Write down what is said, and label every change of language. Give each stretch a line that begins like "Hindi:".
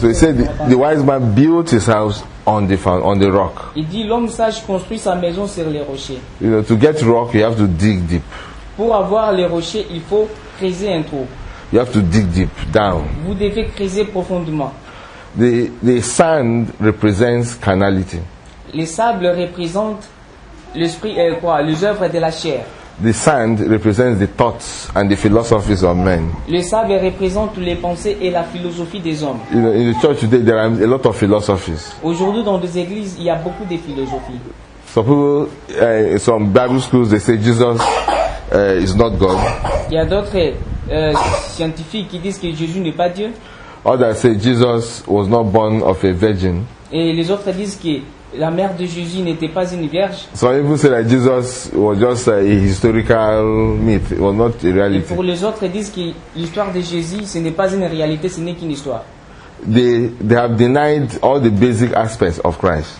English: so he said the wise man built his house on the rock.
French: Il dit l'homme sage construit sa maison sur les rochers.
English: You know, to get rock, you have to dig deep.
French: Pour avoir les rochers, il faut creuser un trou.
English: You have to dig deep down.
French: Vous devez creuser profondément.
English: The sand represents carnality.
French: Le sable représente l'esprit et quoi, les œuvres de la chair.
English: The sand represents the thoughts and the philosophies of men.
French: Le sable représente les pensées et la philosophie des hommes.
English: You know, in the church today, there are a lot of philosophies.
French: Aujourd'hui, dans les églises, il y a beaucoup de philosophies.
English: Some people, some Bible schools, they say Jesus is not God.
French: Il y a d'autres scientifiques qui disent que Jésus n'est pas Dieu.
English: Others say Jesus was not born of a virgin.
French: Et les autres disent que la mère de Jésus n'était pas une vierge.
English: So if you say that Jesus was just a historical myth, it was not a reality.
French: Et pour les autres, ils disent que l'histoire de Jésus, ce n'est pas une réalité, ce n'est qu'une histoire.
English: They have denied all the basic aspects of Christ.